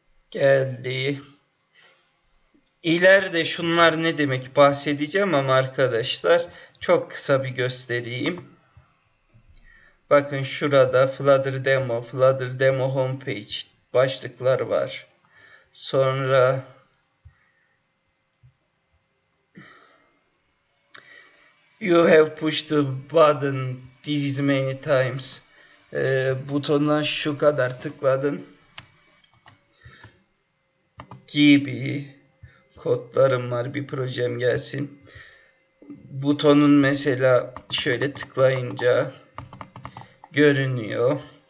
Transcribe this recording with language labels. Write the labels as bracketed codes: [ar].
[tr] Geldi. İleride şunlar ne demek bahsedeceğim ama arkadaşlar çok kısa bir göstereyim. Bakın şurada Flutter Demo, Flutter Demo Homepage başlıklar var. Sonra [en] have pushed the button this many times. [tr] Butona şu kadar tıkladın gibi kodlarım var, bir projem gelsin. Butonun mesela şöyle tıklayınca görünüyor.